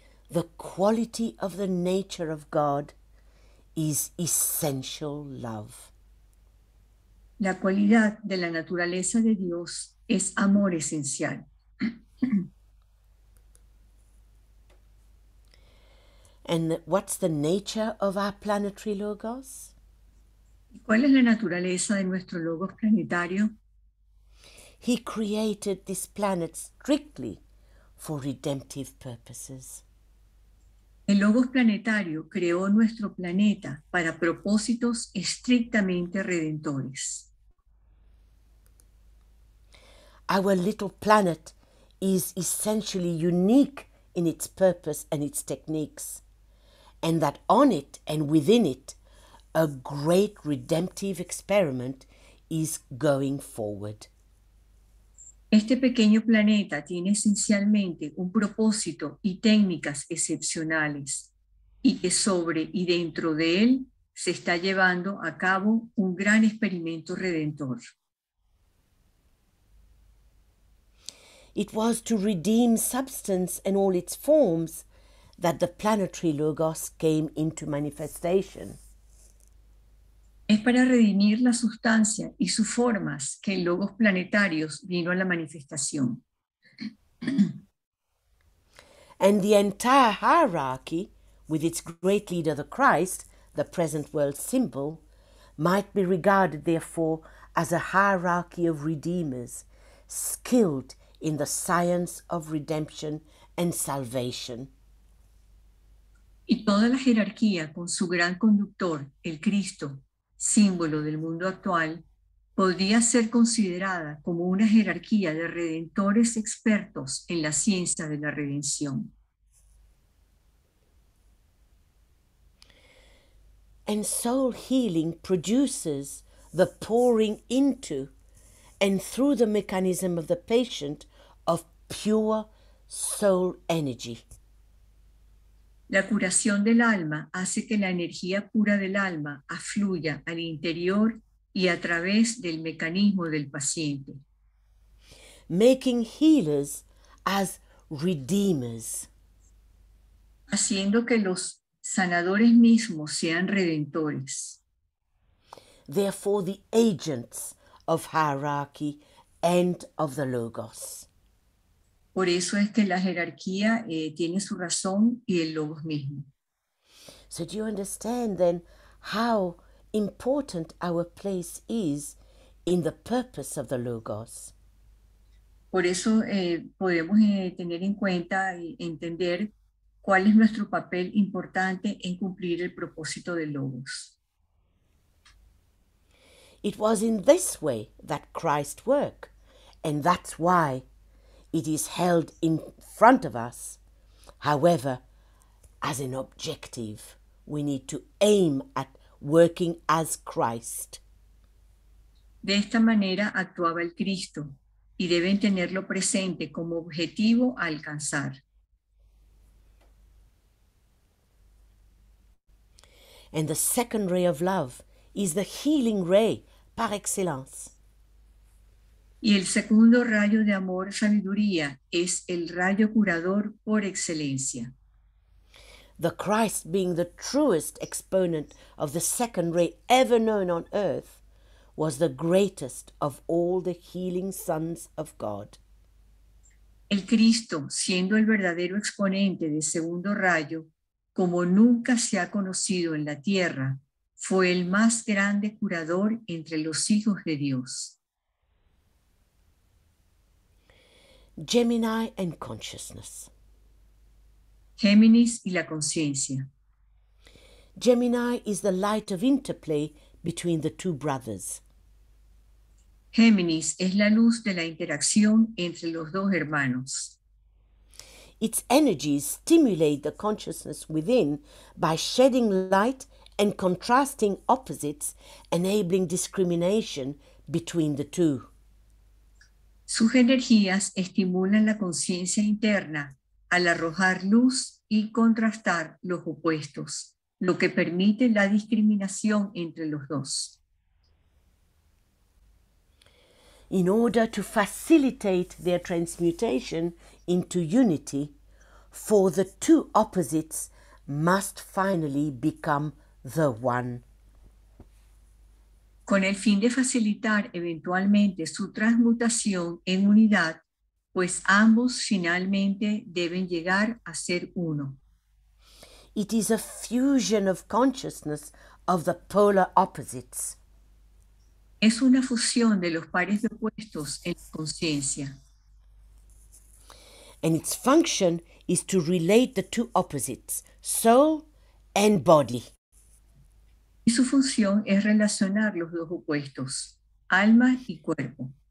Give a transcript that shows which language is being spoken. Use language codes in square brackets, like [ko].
[en] The quality of the nature of God is essential love. [es] La cualidad de la naturaleza de Dios es amor esencial. [en] And what's the nature of our planetary logos? [es] ¿Cuál es la naturaleza de nuestro logos planetario? [en] He created this planet strictly for redemptive purposes. [es] El logos planetario creó nuestro planeta para propósitos estrictamente redentores. [en] Our little planet is essentially unique in its purpose and its techniques, and that on it and within it, a great redemptive experiment is going forward. [es] Este pequeño planeta tiene esencialmente un propósito y técnicas excepcionales, y que sobre y dentro de él se está llevando a cabo un gran experimento redentor. [en] It was to redeem substance and all its forms that the planetary logos came into manifestation. [es] Es para redimir la sustancia y sus formas que el logos planetarios vino a la manifestación. [en] And the entire hierarchy, with its great leader the Christ, the present world symbol, might be regarded therefore as a hierarchy of redeemers, skilled in the science of redemption and salvation. [es] Y toda la jerarquía con su gran conductor, el Cristo, símbolo del mundo actual, podría ser considerada como una jerarquía de redentores expertos en la ciencia de la redención. [en] And soul healing produces the pouring into and through the mechanism of the patient of pure soul energy. [es] La curación del alma hace que la energía pura del alma afluya al interior y a través del mecanismo del paciente. [en] Making healers as redeemers. [es] Haciendo que los sanadores mismos sean redentores. [en] Therefore, the agents of hierarchy and of the logos. [es] Por eso es que la jerarquía tiene su razón y el logos mismo. [en] So do you understand then how important our place is in the purpose of the logos? [es] Por eso podemos tener en cuenta y entender cuál es nuestro papel importante en cumplir el propósito del logos. [en] It was in this way that Christ worked, and that's why it is held in front of us, however, as an objective. We need to aim at working as Christ. [es] De esta manera actuaba el Cristo, y deben tenerlo presente como objetivo a alcanzar. [en] And the second ray of love is the healing ray par excellence. [es] Y el segundo rayo de amor, sabiduría, es el rayo curador por excelencia. [en] The Christ being the truest exponent of the second ray ever known on earth was the greatest of all the healing sons of God. [es] El Cristo, siendo el verdadero exponente del segundo rayo, como nunca se ha conocido en la tierra, fue el más grande curador entre los hijos de Dios. [en] Gemini and consciousness. [es] Géminis y la conciencia. [en] Gemini is the light of interplay between the two brothers. [es] Géminis es la luz de la interacción entre los dos hermanos. [en] Its energies stimulate the consciousness within by shedding light and contrasting opposites, enabling discrimination between the two. [es] Sus energías estimulan la conciencia interna al arrojar luz y contrastar los opuestos, lo que permite la discriminación entre los dos. [en] In order to facilitate their transmutation into unity, for the two opposites must finally become the one. [es] Con el fin de facilitar eventualmente su transmutación en unidad, pues ambos finalmente deben llegar a ser uno. [en] It is a fusion of consciousness of the polar opposites. [es] Es una fusión de los pares de opuestos en la conciencia. [en] And its function is to relate the two opposites, soul and body. [es] Y su función es relacionar los dos opuestos, alma y cuerpo.